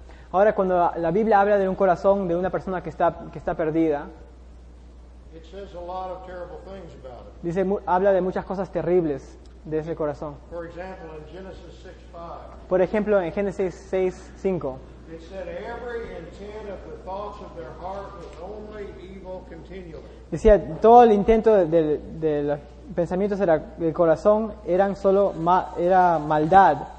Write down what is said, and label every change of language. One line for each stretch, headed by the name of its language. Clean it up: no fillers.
Spanish: Ahora, cuando la Biblia habla de un corazón de una persona que está perdida,
English: It says a lot of terrible things about it.
Spanish: Dice, habla de muchas cosas terribles de ese corazón.
English: For example, in Genesis 6:5.
Spanish: Por ejemplo, en Génesis 6:5.
English: It said every intent of the thoughts of their heart was only evil continually.
Spanish: Decía, todo el intento del pensamientos del corazón eran solo era maldad.